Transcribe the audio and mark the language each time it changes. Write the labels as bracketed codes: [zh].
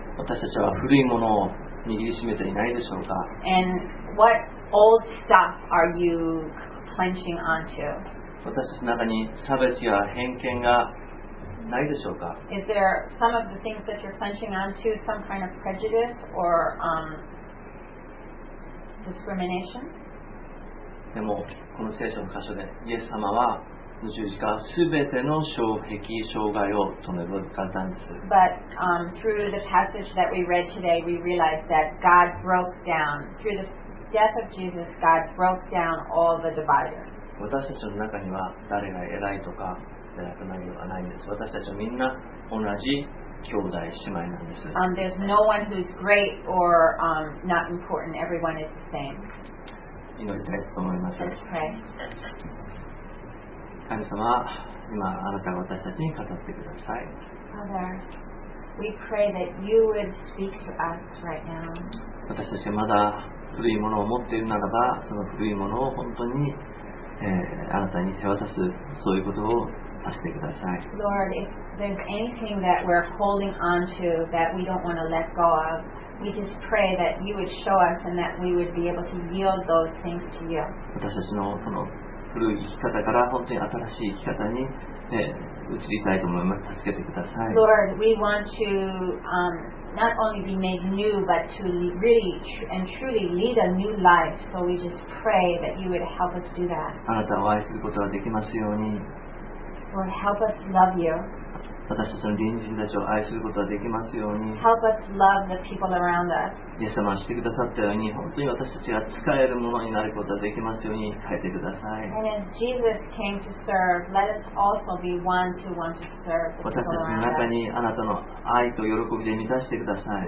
[ja] 私たちは古いものを握りしめていないでしょうか。 [en] And what old stuff are you clenching onto? [ja] 私たちの中に差別や偏見がないでしょうか? [en] Is there some of the things that you're clenching onto, some kind of prejudice or, discrimination? [ja] でも、この聖書の箇所で、イエス様は十字架すべての障壁、障害を止めることができたんです。 [en] But, through the passage that we read today, we realize that God broke down, through the death of Jesus, God broke down all the dividers. [ja] 私たちの中には誰が偉いとか偉くないではないんです。私たちみんな同じ兄弟姉妹なんです。 [en] There's no one who's great or, not important. Everyone is the same. [ja] 祈りたいと思います。 [en] Let's pray. [ja] 神様、今あなたが私たちに語ってください。 [en] Father, we pray that you would speak to us right now. [ja] 私たちがまだ古いものを持っているならば、その古いものを本当にあなたに手渡すそういうことをさせてください。 [en] Lord, if there's anything that we're holding on to that we don't want to let go of, we just pray that you would show us and that we would be able to yield those things to you. [ja] 私たちのこの古い生き方から本当に新しい生き方に、移りたいと思います。助けてください。 [en] Lord, we want to, not only be made new, but to really and truly lead a new life. So we just pray that you would help us do that. [ja] あなたを愛することができますように。 [en] Lord, help us love you. [ja] 私たちの隣人たちを愛することができますように、 [en] Help us love the people around us. [ja] イエス様はしてくださったように、本当に私たちが使えるものになることができますように変えてください。 [en] And as Jesus came to serve, let us also be one to want to serve the people around us. [ja] 私たちの中にあなたの愛と喜びで満たしてください。